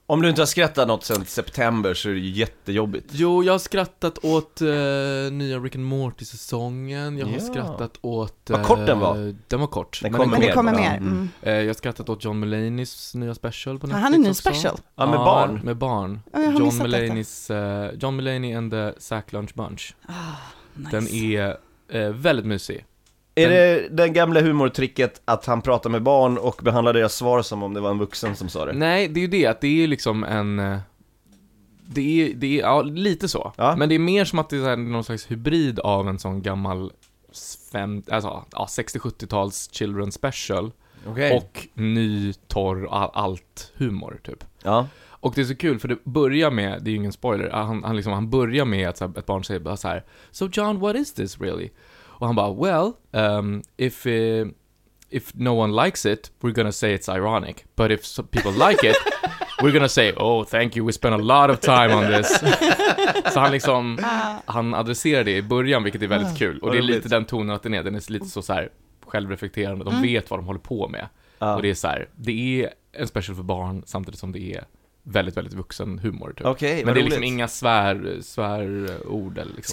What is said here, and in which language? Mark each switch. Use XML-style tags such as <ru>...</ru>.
<sv>Om du inte har skrattat något sedan september så är det ju jättejobbigt. Jo, jag har skrattat åt nya Rick and Morty-säsongen. Jag har skrattat åt... Vad kort den var. Den var kort. Den kommer mer. Mm. Jag har skrattat åt John Mulaneys nya special på Netflix. Han är ny special? Ja, med barn. Ja, med barn. Ja, John Mulaneys John Mulaney and the Sack Lunch Bunch. Nice. Den är väldigt mysig. Är det den gamla humortricket att han pratar med barn och behandlar deras svar som om det var en vuxen som sa det? Nej, det är ju det. Det är liksom en... Det är ja, lite så. Ja. Men det är mer som att det är någon slags hybrid av en sån gammal 60-70-tals children special. Okay. Och ny, torr, allt humor typ. Ja. Och det är så kul för det börjar med, det är ju ingen spoiler, han börjar med att ett barn säger bara så här:</sv> <en>"So John, what is this really?"</en> <sv>Och han bara,</sv> <en>"Well, if no one likes it, we're gonna say it's ironic. But if some people like it, we're gonna say, oh, thank you, we spent a lot of time on this."</en> <sv>Så han liksom, han adresserar det i början, vilket är väldigt kul. Och det är lite den tonen att den är lite så här självreflekterande. De vet vad de håller på med. Och det är så här, det är en special för barn samtidigt som det är väldigt, väldigt vuxen humor typ. Okay, men det är liksom inga svärord eller liksom.</sv>